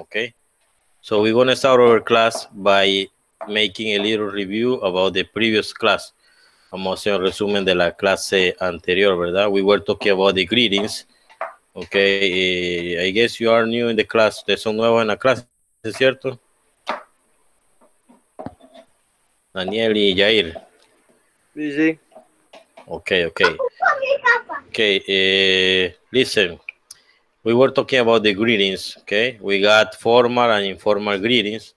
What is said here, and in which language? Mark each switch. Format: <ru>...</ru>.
<en>Okay, so we're gonna start our class by making a little review about the previous class.</en> <es>Vamos a hacer un resumen de la clase anterior, ¿verdad?</es> <en>We were talking about the greetings. Okay, I guess you are new in the class.</en> <es>Ustedes son nuevos en la clase, ¿es cierto? Daniel y Jair. Sí.</es> <en>Okay. Okay, listen. We were talking about the greetings, okay? We got formal and informal greetings.</en>